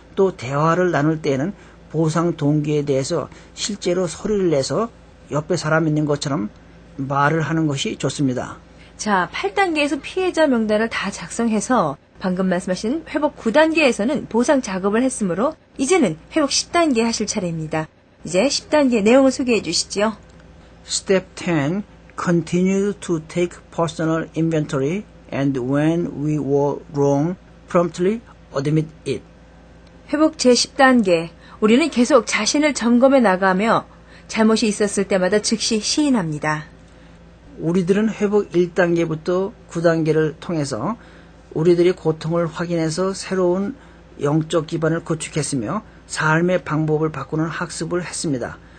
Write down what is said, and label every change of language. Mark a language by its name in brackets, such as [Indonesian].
[Korean] 또 대화를 나눌 때에는 보상 동기에 대해서 실제로 소리를 내서 옆에 사람 있는 것처럼 말을 하는 것이 좋습니다. 자, 8단계에서 피해자 명단을 다 작성해서 방금 말씀하신 회복 9단계에서는 보상 작업을 했으므로 이제는 회복 10단계 하실 차례입니다. 이제 10단계 내용을 소개해 주시죠. [English] Step 10. Continue to take personal inventory and when we were wrong, promptly admit it. [Korean] 회복 제10단계, 우리는 계속 자신을 점검해 나가며 잘못이 있었을 때마다 즉시 시인합니다. 우리들은 회복 1단계부터 9단계를 통해서 우리들의 고통을 확인해서 새로운 영적 기반을 구축했으며 삶의 방법을 바꾸는 학습을 했습니다.